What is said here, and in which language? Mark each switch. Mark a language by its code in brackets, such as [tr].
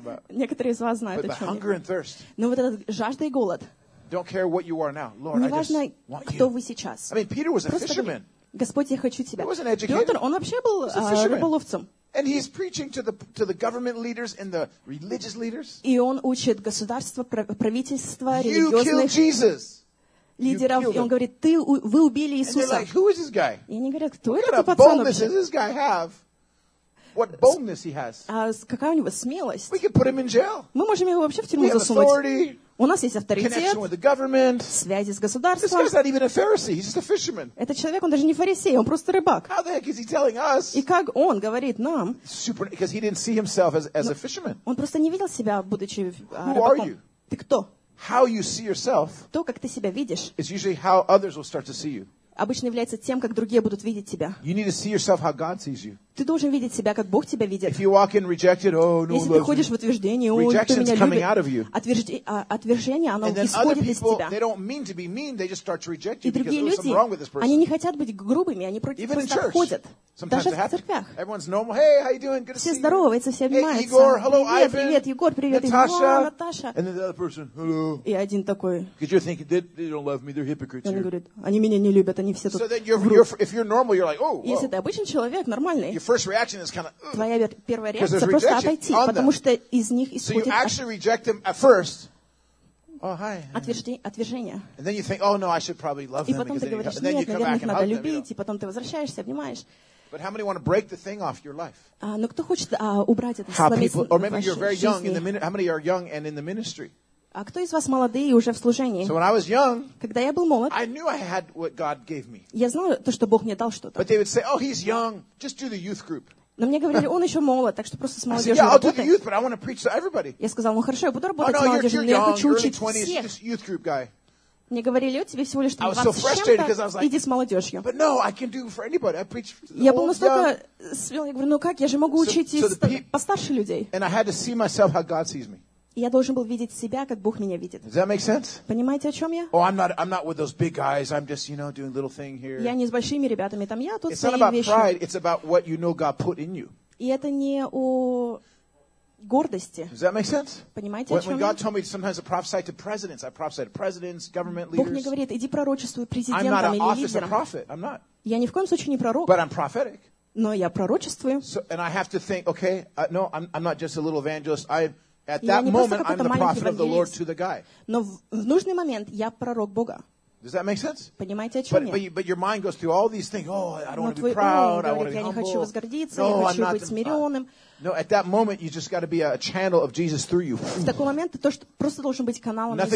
[ru] Некоторые из вас знают о чем. Но вот этот жажда и голод. Неважно, кто вы сейчас. Господь, я хочу тебя. Петр, он вообще был рыболовцем. [en] And he's preaching to the government leaders and the religious leaders. [ru] И он учит государство, правительство, религиозных лидеров. И он говорит, вы убили Иисуса. [en] And they're like, who is this guy? [ru] И они говорят, кто [en] what [ru] это пацан? [en] What kind of boldness does this guy have? What boldness he has? [ru] Какая у него смелость? [en] We could put him in jail. [ru] Мы можем его вообще в тюрьму засунуть. [en] We have authority. [ru] У нас есть авторитет. [en] Connection with the government. [ru] Связи с государством. [en] This guy's not even a Pharisee. He's just a fisherman. [ru] Этот человек, он даже не фарисей, он просто рыбак. [en] How the heck is he telling us? [ru] И как он говорит нам? [en] Super, because he didn't see himself as a fisherman. [ru] Он просто не видел себя будучи рыбаком. [en] Who are you? [ru] Ты кто? [en] How you see yourself? [ru] То, как ты себя видишь. [en] It's usually how others will start to see you. [ru] Обычно является тем, как другие будут видеть тебя. [en] You need to see yourself how God sees you. [ru] Ты должен видеть себя, как Бог тебя видит. [en] If you walk in rejected, oh, no, [ru] Если ты ходишь в утверждении, о, кто меня [en] coming [ru] любит, [en] out of you. [ru] Отвержение, оно исходит из тебя. [en] They don't mean to be mean, they just start to reject you. [ru] И другие люди, [en] wrong with this person. [ru] Они не хотят быть грубыми, они против просто ходят. Даже в церквях. [en] Everyone's normal. Hey, how you doing? Good to [ru] Все здороваются, все обнимаются. [en] Hey, Igor, hello, [ru] привет, [en] Ivan. [ru] Привет, Егор, привет, Наташа. Его, Наташа. [en] And then the other person, hello. [ru] И один такой. [en] Because you're thinking they don't love me, they're hypocrites. [ru] Он говорит, они меня не любят, они все тут. [en] So then if you're normal, you're like, oh. Whoa. [ru] Если ты обычный человек, нормальный. [en] Your first reaction is kind of. [ru] Твоя первая реакция просто отойти, потому что из них исходит. [en] So you actually reject them at first. Oh hi. [ru] Отвержение. [en] And then you think, oh no, I should probably love them. [ru] И потом ты говоришь, нет, наверное, их надо любить, и потом ты возвращаешься, обнимаешь. [en] But how many want to break the thing off your life? [ru] Но кто хочет убрать это? [en] How people? Or maybe you're very young in the ministry. How many are young and in the ministry? [ru] А кто из вас молодые и уже в служении? [en] So when I was young, [ru] когда я был молод, [en] I knew I had what God gave me. [ru] Я знал то, что Бог мне дал что-то. [en] But they would say, oh, he's young, just do the youth group. [ru] Но мне говорили, он еще молод, так что просто с молодежью работать. [en] I said, yeah, I'll do the youth, but I want to preach to everybody. [ru] Я сказал, ну хорошо, я буду работать с молодежью, но я хочу учить всех. [en] Oh, no, you're young, early 20s, just youth group guy. [ru] Мне говорили, у тебя всего лишь 20 с чем-то, иди с молодежью. [en] But no, I can do for anybody. I preach for the old, [ru] я был настолько смел, я говорю, ну как, я же могу учить постарше людей. [en] And I had to see myself how God sees me. [ru] Я должен был видеть себя, как Бог меня видит. [en] Does that make sense? [ru] Понимаете, о чем я? [en] Oh, I'm not with those big guys. I'm just, you know, doing little thing here. [ru] Я не с большими ребятами там. Я тут свои вещи. [en] It's not about pride. It's about what you know God put in you. [ru] И это не о гордости. [en] Does that make sense? [ru] Понимаете, [en] when, [ru] о чем [en] when [ru] я? [en] God told me sometimes to prophesy to presidents, I prophesy to presidents, government [ru] Бог [en] leaders. [ru] Бог мне говорит, иди пророчествуй президентам или лидерам. [en] I'm not an office of prophet. I'm not. [ru] Я ни в коем случае не пророк. [en] But I'm prophetic. [ru] Но я пророчествую. [en] So, and I have to think, okay, no, I'm not just a little evangelist. At [ru] я [en] that moment, I'm the prophet of the Lord to the guy. [ru] Но в нужный момент я пророк Бога. [en] Does that make sense? [ru] Понимаете, о чем я? [en] But your mind goes through all these things. Oh, I don't want to be proud. [ru] Говорит, [en] I want to be humble. [ru] Я возгордиться, [en] no, [ru] я хочу быть смиренным. [en] No, at that moment, you just got to be a channel of Jesus through you. [ru] В такой момент ты просто должен быть каналом Иисуса.